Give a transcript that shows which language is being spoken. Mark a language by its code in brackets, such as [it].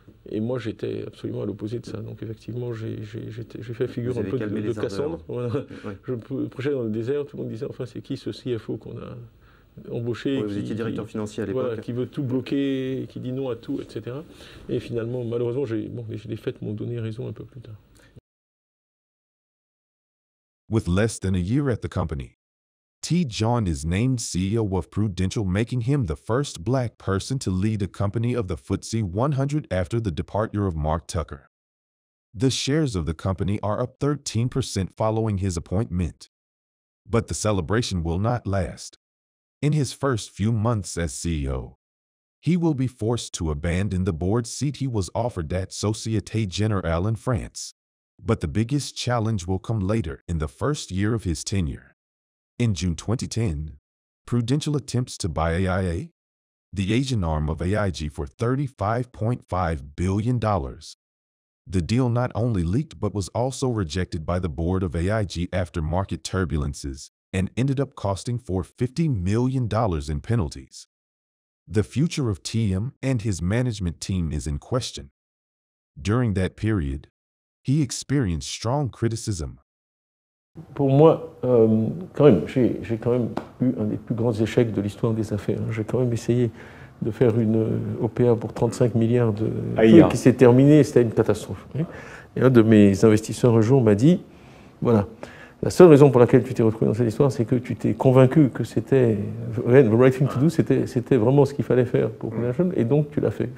[fr] Et moi, j'étais absolument à l'opposé de ça. Donc, effectivement, j'ai fait figure un peu de Cassandre. Voilà. Ouais. Je me projetais dans le désert, tout le monde disait enfin, c'est qui ce CFO qu'on a embauché, ouais, vous étiez directeur financier à l'époque. Voilà, qui veut tout bloquer, qui dit non à tout, etc. Et finalement, malheureusement, les fêtes m'ont donné raison un peu plus tard. [en] With less than a year at the company, T. John is named CEO of Prudential, making him the first black person to lead a company of the FTSE 100 after the departure of Mark Tucker. The shares of the company are up 13% following his appointment. But the celebration will not last. In his first few months as CEO, he will be forced to abandon the board seat he was offered at Société Générale in France. But the biggest challenge will come later in the first year of his tenure. In June 2010, Prudential attempts to buy AIA, the Asian arm of AIG, for $35.5 billion. The deal not only leaked but was also rejected by the board of AIG after market turbulences and ended up costing $450 million in penalties. The future of TM and his management team is in question. During that period, he experienced strong criticism. [fr] Pour moi, quand même, j'ai quand même eu un des plus grands échecs de l'histoire des affaires. J'ai quand même essayé de faire une OPA pour 35 milliards de dollars qui s'est terminée, et c'était une catastrophe. Et un de mes investisseurs un jour m'a dit, voilà, la seule raison pour laquelle tu t'es retrouvé dans cette histoire, c'est que tu t'es convaincu que c'était [en] the right thing to do, [fr] c'était vraiment ce qu'il fallait faire pour la jeune, et donc tu l'as fait.